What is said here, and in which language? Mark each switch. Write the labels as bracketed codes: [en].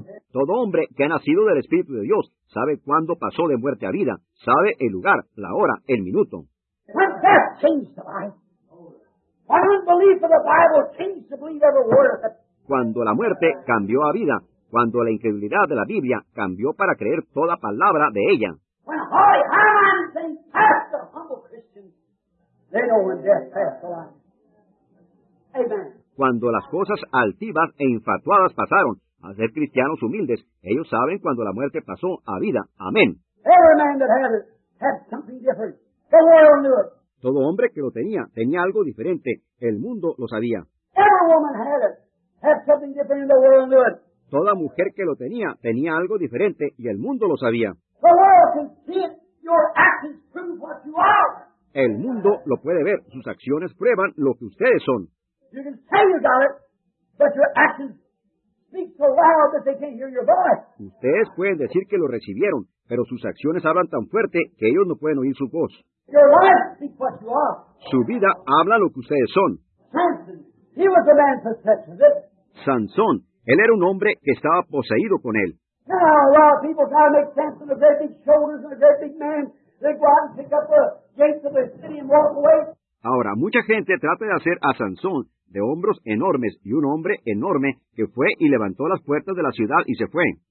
[es] Todo hombre que ha nacido del Espíritu de Dios sabe cuándo pasó de muerte a vida, sabe el lugar, la hora, el minuto. [en] When death changed the life, when unbelief of the Bible changed to believe every word of it. [es] Cuando la muerte cambió a vida, cuando la incredulidad de la Biblia cambió para creer toda palabra de ella. [en] When holy hands and past the humble Christian, they know when death passed the line. Amen. [es] Cuando las cosas altivas e infatuadas pasaron a ser cristianos humildes, ellos saben cuando la muerte pasó a vida. Amén. [en] Every man that had it had something different. The world knew it. [es] Todo hombre que lo tenía, tenía algo diferente. El mundo lo sabía. [en] Every woman had it had something different and the world knew it. [es] Toda mujer que lo tenía, tenía algo diferente y el mundo lo sabía. [en] The world can see it. Your actions prove what you are. [es] El mundo lo puede ver. Sus acciones prueban lo que ustedes son. [en] You can say you got it, but your actions speak so loud that they can't hear your voice. [es] Ustedes pueden decir que lo recibieron, pero sus acciones hablan tan fuerte que ellos no pueden oír su voz. [en] Your life speaks what you are. [es] Su vida habla lo que ustedes son. [en] Samson, he was a man possessed with it. [es] Sansón, él era un hombre que estaba poseído con él. [en] Now, a lot of people try to make Samson a great big shoulders and a great big man. They go out and pick up the gates of the city and walk away. [es] Ahora, mucha gente trata de hacer a Sansón de hombros enormes y un hombre enorme que fue y levantó las puertas de la ciudad y se fue.